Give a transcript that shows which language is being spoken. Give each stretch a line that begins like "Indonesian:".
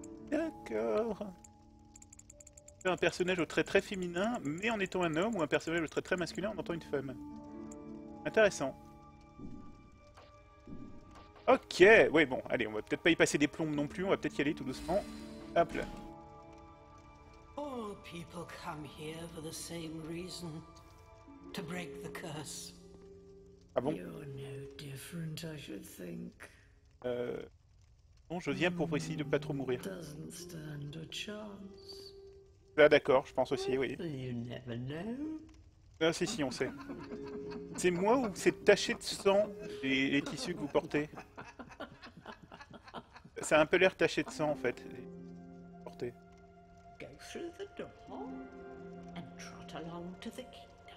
French: D'accord. Un personnage au trait très féminin, mais en étant un homme, ou un personnage au trait très masculin en étant une femme. Intéressant. Ok, ouais, bon, allez, on va peut-être pas y passer des plombes non plus, on va peut-être y aller tout doucement. Hop là.
English: All people come here for the same reason. To break the curse.
French: Ah bon?
English: You're no different, I should think.
French: Bon, je viens pour essayer de pas trop mourir.
English: Doesn't stand a chance.
French: Là, d'accord, je pense aussi, oui.
English: You never know.
French: Ah, si, si, on sait. C'est moi ou c'est taché de sang, les tissus que vous portez? Ça a un peu l'air taché de sang, en fait. Portez.
English: Go through the door and trot along to the kingdom.